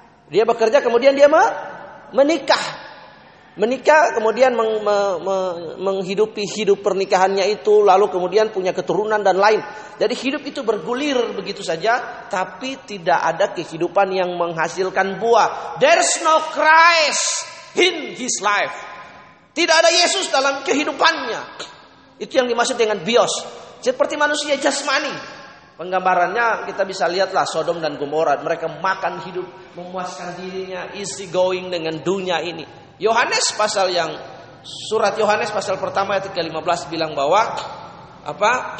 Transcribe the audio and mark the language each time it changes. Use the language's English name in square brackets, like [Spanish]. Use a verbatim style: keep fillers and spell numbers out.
[Indonesian] Dia bekerja, kemudian dia me, menikah. Menikah, kemudian meng, me, me, menghidupi hidup pernikahannya itu, lalu kemudian punya keturunan dan lain. Jadi hidup itu bergulir begitu saja, tapi tidak ada kehidupan yang menghasilkan buah. [English] There's no Christ in his life. [Indonesian] Tidak ada Yesus dalam kehidupannya. Itu yang dimaksud dengan bios. Seperti manusia jasmani. Penggambarannya kita bisa lihatlah Sodom dan Gomora. Mereka makan hidup, memuaskan dirinya, easy going dengan dunia ini. Yohanes pasal yang surat Yohanes pasal pertama ayat ke lima belas bilang bahwa apa?